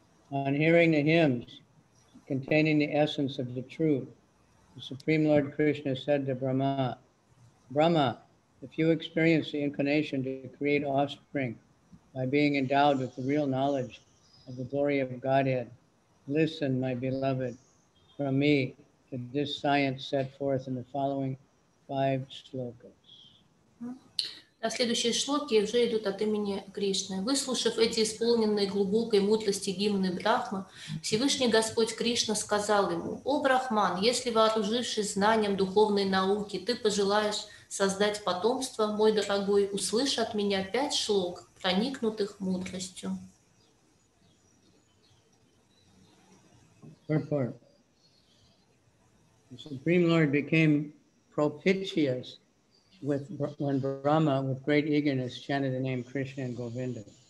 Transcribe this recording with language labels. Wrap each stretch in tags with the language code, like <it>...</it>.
<en>On hearing the hymns containing the essence of the truth, the Supreme Lord Krishna said to Brahma, Brahma, if you experience the inclination to create offspring by being endowed with the real knowledge of the glory of Godhead, listen, my beloved, from me to this science set forth in the following 5 slokas.</en> <ru>А следующие шлоки уже идут от имени Кришны. Выслушав эти исполненные глубокой мудрости гимны Брахма, Всевышний Господь Кришна сказал ему: «О Брахман, если вооружившись знанием духовной науки, ты пожелаешь создать потомство, мой дорогой, услышь от меня 5 шлок, проникнутых мудростью».</ru> <en>The Supreme Lord became propitious when Brahma, with great eagerness, chanted the name Krishna and Govinda.</en>